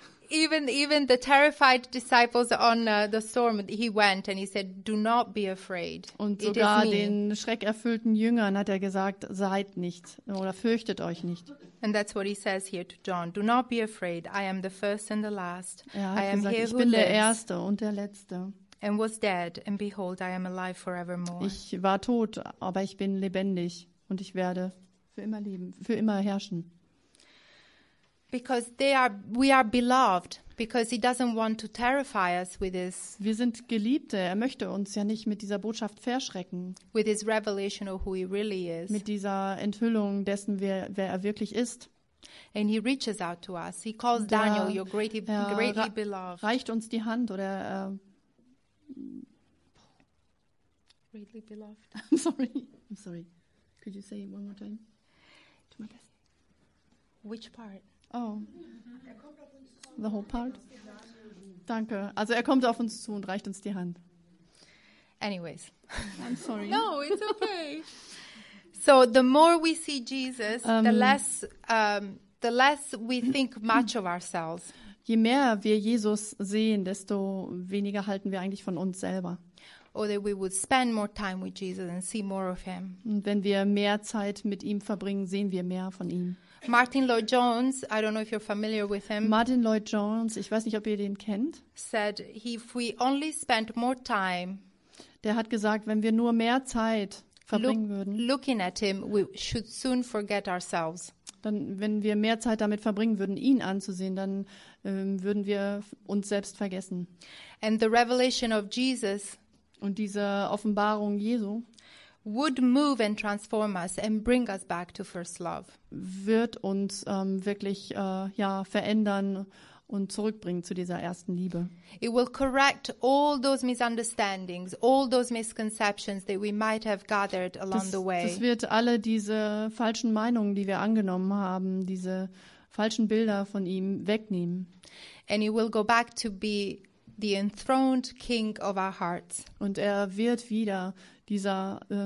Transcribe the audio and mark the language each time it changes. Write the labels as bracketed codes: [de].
[en] Even the terrified disciples on the storm, he went and he said, "Do not be afraid." [de] Und sogar den schreckerfüllten Jüngern hat er gesagt, seid nicht oder fürchtet euch nicht. [en] And that's what he says here to John. Do not be afraid. I am the first and the last. [de] Er hat gesagt, ich bin der Erste und der Letzte. [en] And was dead, and behold, I am alive forevermore. [de] Ich war tot, aber ich bin lebendig und ich werde für immer leben, für immer herrschen. [en] Because we are beloved, because he doesn't want to terrify us with his. [de] Wir sind Geliebte. Er möchte uns ja nicht mit dieser Botschaft verschrecken. [en] With his revelation of who he really is. [de] Mit dieser Enthüllung dessen, wer er wirklich ist. [en] And he reaches out to us. He calls Daniel, your greatly, greatly beloved. [de] Reicht uns die Hand oder [en] greatly beloved. I'm sorry. Could you say it one more time? To my best. Which part? Oh, the whole part. Danke. [de] Also er kommt auf uns zu und reicht uns die Hand. [en] Anyways. I'm sorry. No, it's okay. So the more we see Jesus, the less we think much of ourselves. [de] Je mehr wir Jesus sehen, desto weniger halten wir eigentlich von uns selber. [en] Or we would spend more time with Jesus and see more of him. [de] Und wenn wir mehr Zeit mit ihm verbringen, sehen wir mehr von ihm. [en] Martin Lloyd-Jones, I don't know if you're familiar with him. [de] Martin Lloyd-Jones, ich weiß nicht, ob ihr den kennt. [en] Said, if we only spend more time. [de] Der hat gesagt, wenn wir nur mehr Zeit verbringen würden. [en] Looking at him, we should soon forget ourselves. [de] Dann, wenn wir mehr Zeit damit verbringen würden, ihn anzusehen, dann würden wir uns selbst vergessen. [en] And the revelation of Jesus. [de] Und diese Offenbarung Jesu. [en] Would move and transform us and bring us back to first love. [de] Wird uns wirklich verändern und zurückbringen zu dieser ersten Liebe. [en] It will correct all those misunderstandings, all those misconceptions that we might have gathered along the way. [de] Das wird alle diese falschen Meinungen, die wir angenommen haben, diese falschen Bilder von ihm wegnehmen. [en] And it will go back to be the enthroned king of our hearts. [de] Und er wird wieder dieser